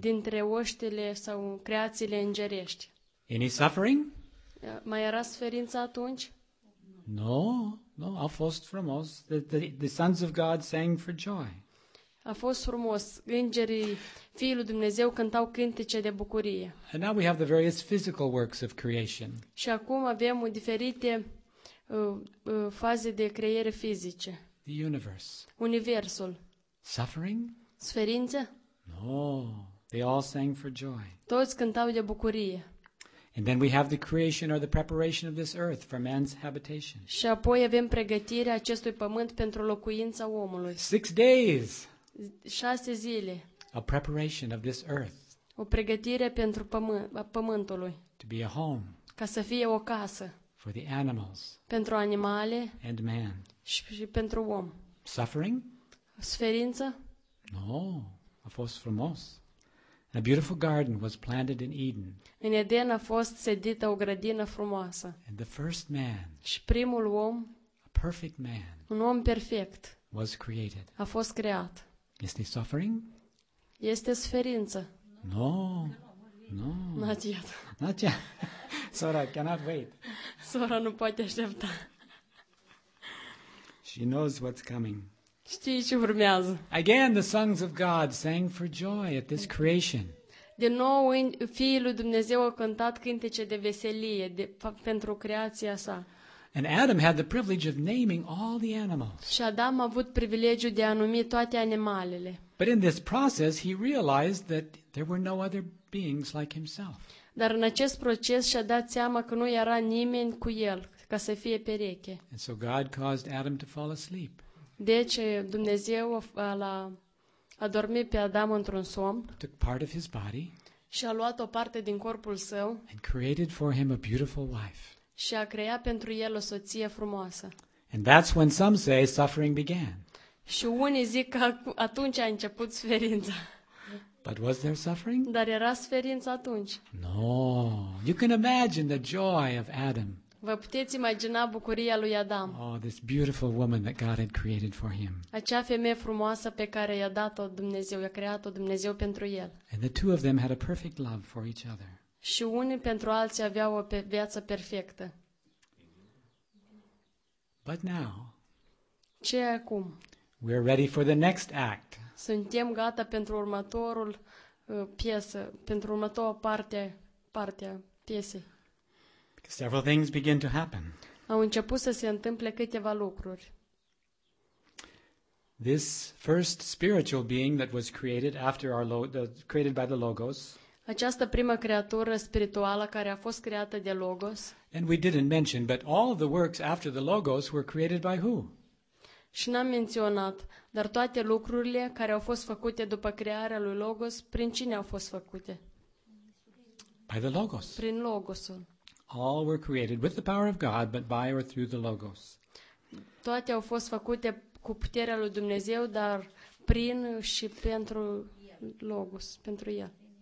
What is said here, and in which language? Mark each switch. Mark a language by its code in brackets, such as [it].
[ro] Dintre oștile sau creațiile îngerești. [en] Any suffering? [ro] Mai era suferință atunci? [en] No, no, [ro] a fost frumos. [en] The sons of God sang for joy. [ro] A fost frumos. Îngerii, fiii lui Dumnezeu cântau cântece de bucurie. [en] And now we have the various physical works of creation. [ro] Și acum avem diferite faze de creiere fizice. [en] The universe. [ro] Universul. [en] Suffering? [ro] Suferință? [en] No, they all sang for joy. [ro] Toți cântau de bucurie. [en] And then we have the creation or the preparation of this earth for man's habitation. [ro] Și apoi avem pregătirea acestui pământ pentru locuința omului. [en] 6 days. [ro] 6 zile. [en] A preparation of this earth. [ro] O pregătire pentru pământului. [en] To be a home. [ro] Ca să fie o casă. [en] For the animals. [ro] Pentru animale. [en] And man. [ro] Și pentru om. [en] Suffering? [ro] Suferință? [en] No, [ro] a fost frumos. [en] And a beautiful garden was planted in Eden. [ro] În Eden a fost sedită o grădină frumoasă. [en] And the first man. [ro] Și primul om. [en] A perfect man. [ro] Un om perfect. [en] Was created. [ro] A fost creat. [en] Is he suffering? [ro] Este suferință? [en] No. No. Not yet. Not yet. Sora cannot wait. [ro] Sora nu poate aștepta. [en] She knows what's coming. [ro] Știe ce urmează. [en] Again, the sons of God sang for joy at this creation. [ro] Din nou, fiii lui Dumnezeu au cântat cântece de veselie pentru creația sa. [en] And Adam had the privilege of naming all the animals. [ro] Și Adam a avut privilegiul de a numi toate animalele. [en] But in this process, he realized that there were no other beings like himself. [ro] Dar în acest proces și-a dat seama că nu era nimeni cu el ca să fie pereche. [en] And so God caused Adam to fall asleep. [ro] Deci Dumnezeu l-a adormit pe Adam într-un somn. [en] Took part of his body. [ro] Și a luat o parte din corpul său. [en] And created for him a beautiful wife. [ro] Și a creat pentru el o soție frumoasă. [en] And that's when some say suffering began. [ro] Și unii zic că atunci a început suferința. [en] But was there suffering? [ro] Dar era suferință atunci? [en] No. You can imagine the joy of Adam. [ro] Vă puteți imagina bucuria lui Adam. [en] Oh, this beautiful woman that God had created for him. [ro] Acea femeie frumoasă pe care i-a dat-o Dumnezeu, i-a creat-o Dumnezeu pentru el. [en] And the two of them had a perfect love for each other. [ro] Și unii pentru alții aveau o viață perfectă. [en] But now. [ro] Ce acum? [en] We are ready for the next act. [ro] Suntem gata pentru următorul piesă, pentru următoarea parte a piesei. [en] Because several things begin to happen. [ro] Au început să se întâmple câteva lucruri. [en] This first spiritual being that was created after our created by the Logos. [ro] Această prima creatură spirituală care a fost creată de Logos. [en] And we didn't mention, but all the works after the Logos were created by who? [ro] Și n-am menționat, dar toate lucrurile care au fost făcute după crearea lui Logos, prin cine au fost făcute? [en] By the Logos. [ro] Prin Logosul. [en] All were created with the power of God, but by or through the Logos. [ro] Toate au fost făcute cu puterea lui Dumnezeu, dar prin și pentru Logos, pentru el.